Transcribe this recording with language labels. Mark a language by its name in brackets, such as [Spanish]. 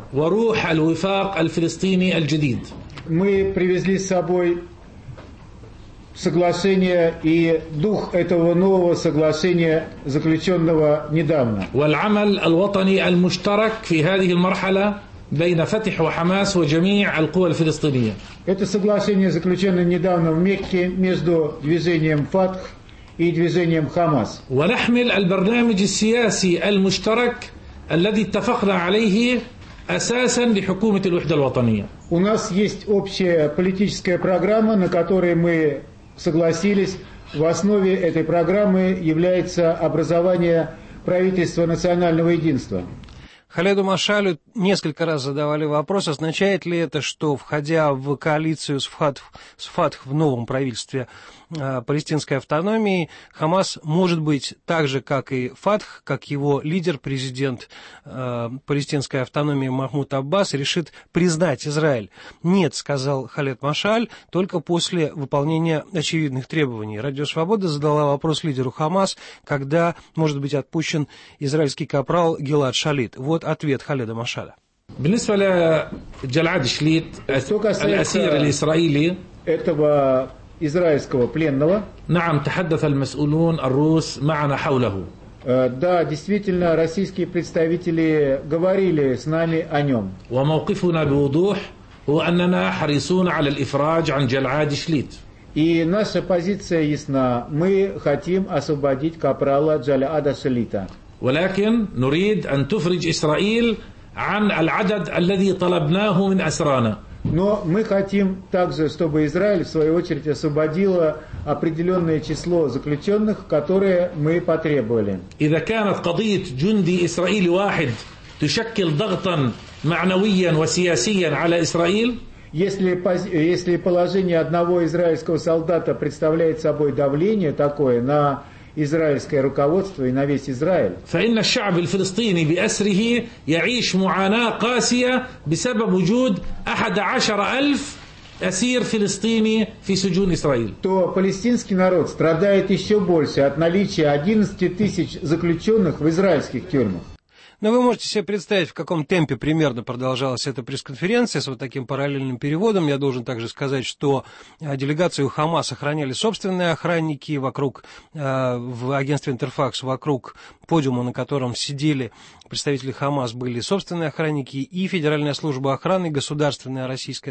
[Russian] Мы привезли с собой соглашение и дух этого нового соглашения, заключенного недавно. Это соглашение, заключенное недавно в Мекке между движением «Фатх» и движением «Хамас». Мы привезли программу политического общего [Arabic] الذي اتفقنا عليه اساسا لحكومه الوحده الوطنيه. [Russian] У нас есть общая политическая программа, на которой мы согласились. В основе этой программы является образование правительства национального единства. Халеду Машалю несколько раз задавали вопрос, означает ли это, что, входя в коалицию с ФАТХ в новом правительстве палестинской автономии, Хамас может быть так же, как и ФАТХ, как его лидер, президент палестинской автономии Махмуд Аббас, решит признать Израиль. Нет, сказал Халед Машаль, только после выполнения очевидных требований. Радио «Свобода» задала вопрос лидеру Хамас, когда может быть отпущен израильский капрал Гилад Шалит. Вот ответ Халеда Машаля. [Arabic] بالنسبه لجلعاد شليت الاسير الاسرائيلي [Russian] этого израильского пленного. [Arabic] نعم تحدث المسؤولون الروس معنا حوله. [Russian] Да, действительно, российские представители говорили с нами о нем. [Arabic] وموقفنا بوضوح هو اننا حريصون على الافراج عن جلعاد شليت. [Russian] И наша позиция ясна. Мы хотим освободить капрала Джалаада Шлита. [Arabic] ولكن نريد ان تفرج اسرائيل عن العدد الذي طلبناه من اسرانا. [Russian] Но мы хотим также, чтобы Израиль в свою очередь освободила определённое число заключённых, которые мы потребовали. [Arabic] اذا كانت قضيه جندي اسرائيلي واحد تشكل ضغطا معنويا وسياسيا على اسرائيل. [Russian] Если положение одного израильского солдата представляет собой давление такое на израильское руководство и на весь Израиль. [Arabic] فإن الشعب الفلسطيني بأسره يعيش معاناة قاسية بسبب وجود 11,000 أسير فلسطيني في سجون إسرائيل. [Russian] То палестинский народ страдает еще больше от наличия 11,000 заключенных в израильских тюрьмах. Но вы можете себе представить, в каком темпе примерно продолжалась эта пресс-конференция с вот таким параллельным переводом. Я должен также сказать, что делегацию Хамас охраняли собственные охранники вокруг, в агентстве Интерфакс, вокруг подиума, на котором сидели представители Хамас, были собственные охранники и Федеральная служба охраны, государственная российская.